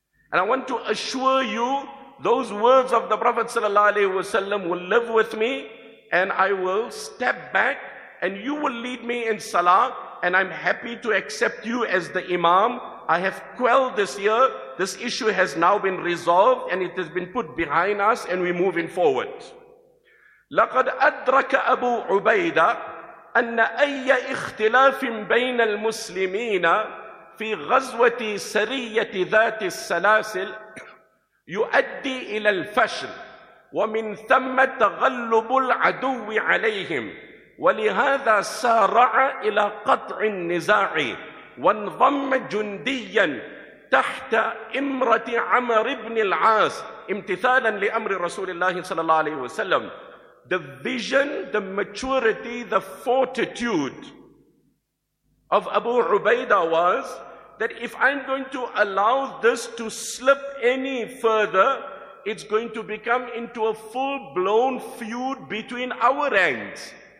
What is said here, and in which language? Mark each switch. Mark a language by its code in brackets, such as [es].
[en] And I want to assure you, those words of the Prophet ﷺ will live with me, and I will step back and you will lead me in salah, and I'm happy to accept you as the imam. I have quelled this year. This issue has now been resolved and it has been put behind us and we're moving forward. [ar] لقد أدرك أبو عبيدة أن أي اختلاف بين المسلمين في غزوة سرية ذات السلاسل يؤدي إلى الفشل ومن ثم تغلب العدو عليهم ولهذا سارع إلى قطع النزاع وانضم جنديا تحت إمرة عمر بن العاص امتثالا لأمر رسول الله صلى الله عليه وسلم. [en] The vision, the maturity, the fortitude of Abu Ubaidah was that if I'm going to allow this to slip any further, it's going to become into a full-blown feud between our ranks.